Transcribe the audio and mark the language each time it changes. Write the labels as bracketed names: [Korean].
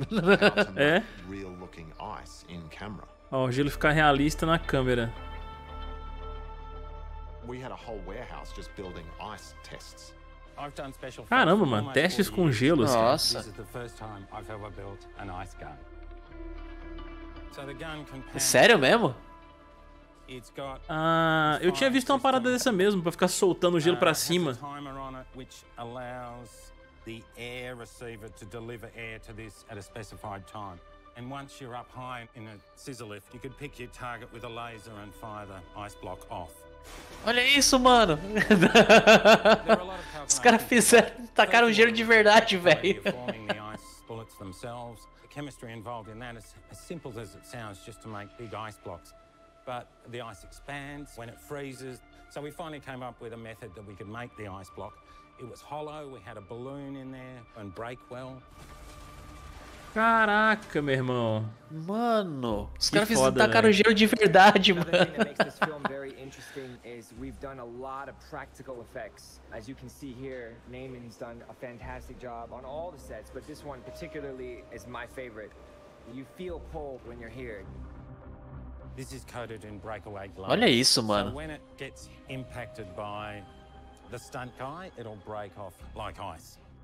[English] real looking ice in camera. [Portuguese] Oh, o gelo ficar realista na câmera. [English] We had a whole warehouse just building ice tests. I've done special. [Portuguese] Caramba, mano, testes com gelo. Nossa. [English] This is the first time I've ever built an ice gun. So the gun can. [Portuguese] Sério mesmo? [English] It's got. [Portuguese] Ah, eu tinha visto uma parada dessa mesmo, para ficar soltando o gelo para cima. [English] Which allows the air receiver to deliver air to this at a specified time. And once you're up high in a scissor lift, you could pick your target with a laser and fire the ice block off. [Portuguese] Olha isso, mano. Os caras fizeram, tacaram gelo de verdade, velho. [English] The chemistry involved in that is as simple as it sounds, just to make big ice blocks. But the ice expands when it freezes. So we finally came up with a method that we could make the ice block. It was hollow, we had a balloon in there and break well. [Portuguese] Caraca, meu irmão. Mano, os caras fizeram tacar o gelo de verdade, mano. [English] Very interesting is we've done a lot of practical effects. As you can see here, Naaman's done a fantastic job on all the sets, but this one particularly is my favorite. You feel pulled when you're here. This is coated in breakaway glass. [Portuguese] Olha isso, mano. [English] So when it gets impacted by the stunt guy, it'll break off like ice.